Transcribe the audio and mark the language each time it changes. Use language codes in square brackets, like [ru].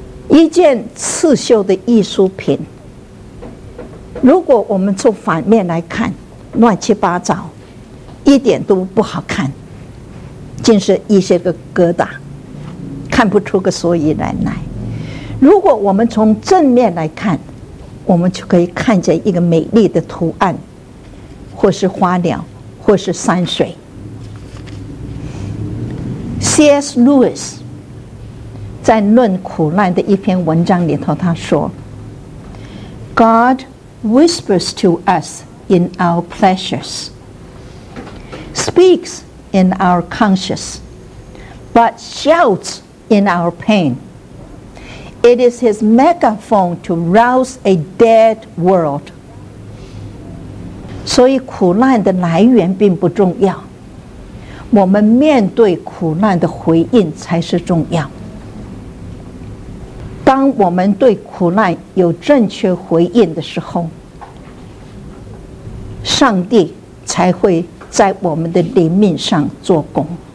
[zh] 一件刺绣的艺术品，如果我们从反面来看，乱七八糟，一点都不好看，竟是一些个疙瘩，看不出个所以然来。如果我们从正面来看，我们就可以看见一个美丽的图案，或是花鸟，或是山水。 [en] C.S. Lewis [zh] 在论苦难的一篇文章里头，他说 [en] God whispers to us in our pleasures, speaks in our conscience, but shouts in our painIt is his megaphone to rouse a dead world. [zh] 所以苦难的来源并不重要，我们面对苦难的回应才是重要。当我们对苦难有正确回应的时候，上帝才会在我们的灵命上做工。